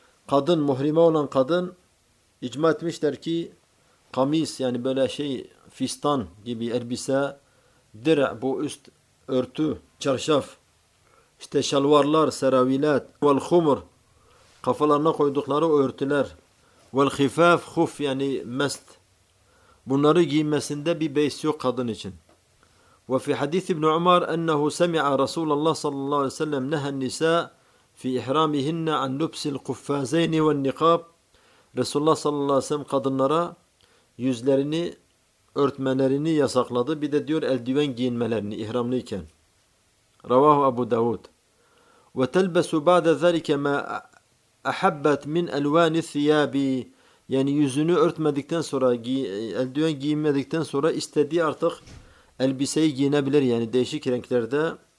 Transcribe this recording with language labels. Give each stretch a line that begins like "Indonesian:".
Turkish: Kadın, muhrime olan kadın, icma etmişler ki kamis yani böyle şey, fistan gibi elbise, dir, bu üst örtü, çarşaf, işte şalvarlar, seravilat, vel humur, kafalarına koydukları örtüler, vel khifaf, huf yani mest, bunları giymesinde bir beis yok kadın için.
Arabic: وفي حديث ابن عمر انه سمع رسول الله صلى الله عليه وسلم نهى النساء في احرامهن عن لبس القفازين والنقاب.
Turkish: رسول الله صلى الله عليه وسلم kadınlara yüzlerini örtmelerini yasakladı, bir de diyor eldiven giyinmelerini ihramlıyken.
Arabic: رواه ابو داود. وتلبس بعد ذلك ما احبت من الوان الثياب,
Turkish: yani yüzünü örtmedikten sonra, eldiven giymedikten sonra istediği artık elbiseyi giyinebilir yani değişik renklerde.